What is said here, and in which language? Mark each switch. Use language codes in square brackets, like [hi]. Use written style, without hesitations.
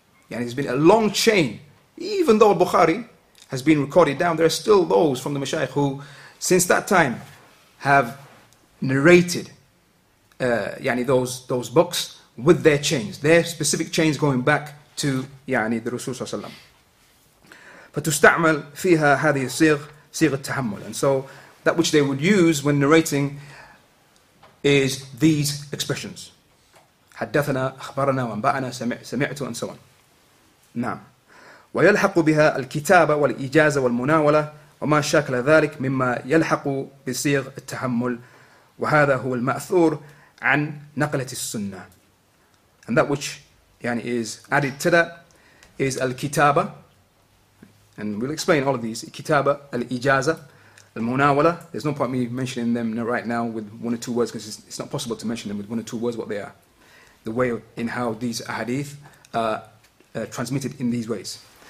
[en] Yani it's been a long chain. Even though Bukhari has been recorded down, there are still those from the Mashaykh who, since that time, have narrated those books with their chains, their specific chains going back to the Rasul Sallallahu Alaihi Wasallam. But to fiha [ar] هذه الصيغ صيغ التحمل. [en] And so that which they would use when narrating is these expressions. [ar] حدثنا أخبرنا وانبأنا سمعت [en] and so on. [ar] نعم. ويلحق بها الكتابة والإجازة والمناولة وما شكل ذلك مما يلحق بصيغ التحمل وهذا هو المأثور عن نقلة السنة. [en] And that which is added to that is al-kitaba, and we'll explain all of these. Kitaba, al-ijaza, al-munawala. There's no point me mentioning them right now with one or two words, because it's not possible to mention them with one or two words what they are, the way in how these ahadith are transmitted in these ways.